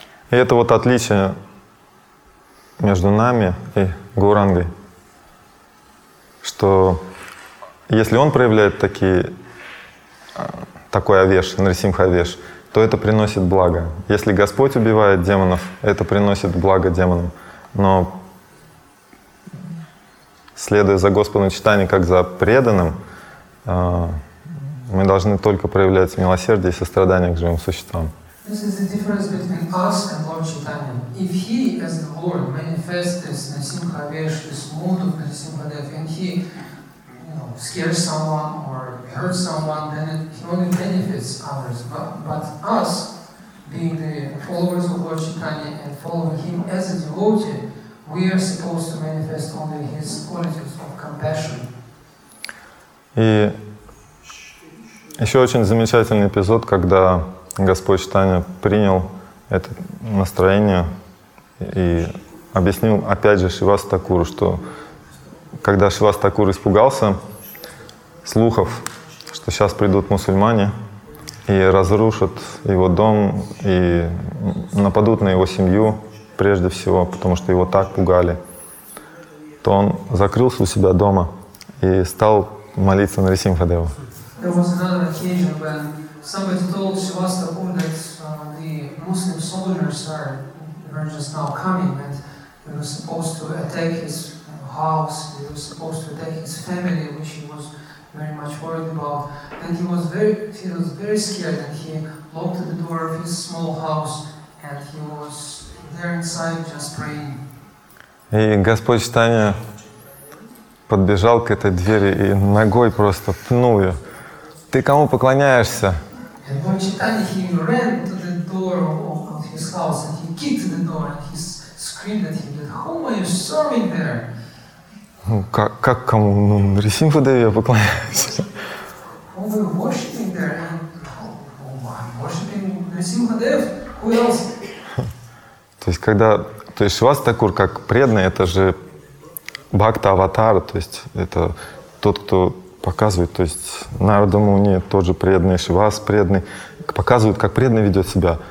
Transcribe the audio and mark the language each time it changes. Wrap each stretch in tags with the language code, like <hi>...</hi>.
<ru>И это вот отличие между нами и Гурангой, что если он проявляет такой авеш, Нарисимхавеш, то это приносит благо. Если Господь убивает демонов, это приносит благо демонам. Но следуя за Господом Чайтанья как за преданным, мы должны только проявлять милосердие и сострадание к живым существам.</ru> <en>This is the difference between us and Lord Chaitanya. If He, as the Lord, manifests this Nrisimhavesh, this mood of Nrisimhadev, and He, scares someone or hurts someone, then He only benefits others. But us, being the followers of Lord Chaitanya and following Him as a devotee, we are supposed to manifest only His qualities of compassion.</en> <ru>Еще очень замечательный эпизод, когда Господь Чайтанья принял это настроение и объяснил опять же Шивас Такуру, что когда Шивас Такур испугался слухов, что сейчас придут мусульмане и разрушат его дом и нападут на его семью прежде всего, потому что его так пугали, то он закрылся у себя дома и стал молиться Нарисимхадеву.</ru> <en>There was another occasion when somebody told Shivas Thakur that the Muslim soldiers were just now coming and they were supposed to attack his house, they were supposed to attack his family, which he was very much worried about. And he was very scared, and he locked the door of his small house and he was there inside just praying.</en> <ru>И Господь Чайтанья подбежал к этой двери и ногой просто пнул ее. Ты кому поклоняешься?</ru> <en>And Lord Chaitanya, he ran to the door of his house and he kicked the door and he screamed at him, that whom are you serving there?</en> <ru>Как кому? Нарисимхадеве я поклоняюсь.</ru> <en>Whom are you worshiping there? And I'm worshiping Нарисимхадев? Who else?</en> <ru>То есть Шивас Такур как преданный, это же бхакта-аватар, то есть это тот, кто показывает, то есть Нарада Муни тот же преданный, Шивас преданный, показывает, как преданный ведет себя.</ru>